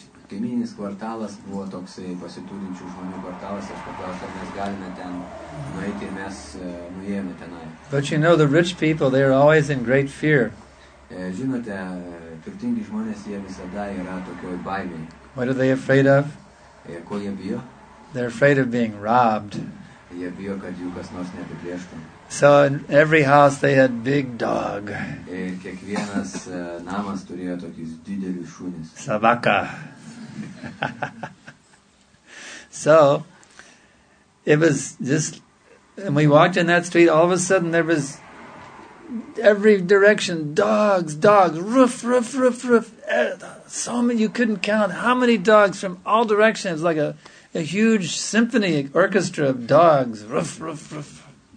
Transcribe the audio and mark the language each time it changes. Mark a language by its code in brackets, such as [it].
[lt] Kaimyninis kvartalas buvo toksai pasiturinčių žmonių kvartalas, aš paklausiau, ar mes galime ten nueiti, mes nuėjome tenai. [en] But you know, the rich people, they are always in great fear. [lt] Žinote, turtingi žmonės, jie visada yra tokioj baimėj. [en] What are they afraid of? [lt] Ko jie bijo? [en] They're afraid of being robbed. [lt] Jie bijo, kad jų kas nors neapiplėštų. [en] So in every house they had big dog. [lt] Ir kiekvienas namas turėjo tokius didelius šunis. Savaka. [en] So it was just, and we walked in that street, all of a sudden there was every direction dogs, roof, so many, you couldn't count how many dogs from all directions. It was like a huge symphony orchestra of dogs, roof.